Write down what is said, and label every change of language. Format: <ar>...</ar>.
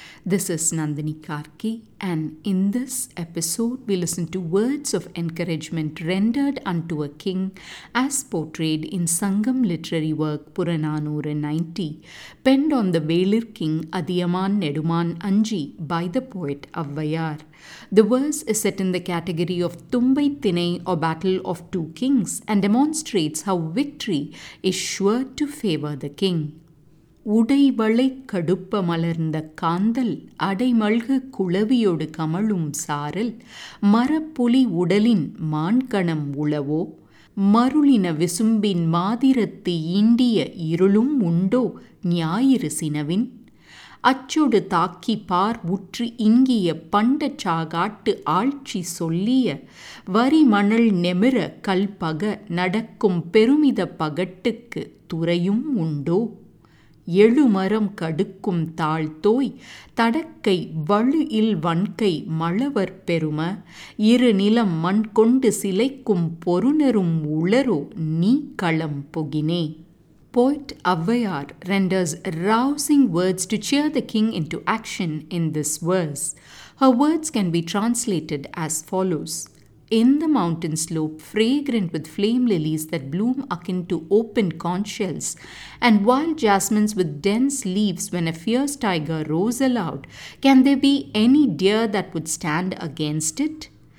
<en>This is Nandini Karki, and in this episode we listen to words of encouragement rendered unto a king as portrayed in Sangam literary work Puranoru 90, penned on the Velir King Adiyaman Neduman Anji by the poet Avvayar. The verse is set in the category of Tumbai Thinai, or Battle of Two Kings, and demonstrates how victory is sure to favour the king.</en> <ta>உடைவளை கடுப்ப மலர்ந்த காந்தல் அடைமல்கு குளவியொடு கமழும் சாரல் மரப்புலி உடலின் மான்கணம் உளவோ மருளின விசும்பின் மாதிரத்து ஈண்டிய இருளும் உண்டோ ஞாயிறு சினவின் அச்சொடு தாக்கி பார் உற்று இங்கிய பண்ட சாகாட்டு ஆட்சி சொல்லிய வரிமணல் நெமிற கல்பக நடக்கும் பெருமித பகட்டுக்கு துறையும் உண்டோ எழுமரம் கடுக்கும் தாழ்த்தோய் தடக்கை வழு இல் வன்கை மழவர் பெரும இரு நிலம் மண் கொண்டு சிலைக்கும் பொருணரும் உளரோ நீ களம் புகினே.</ta> <en>Poet Avvayar renders rousing words to cheer the king into action in this verse. Her words can be translated as follows. In the mountain slope, fragrant with flame lilies that bloom akin to open conch shells, and wild jasmines with dense leaves when a fierce tiger roars aloud, can there be any deer that would stand against it?</en>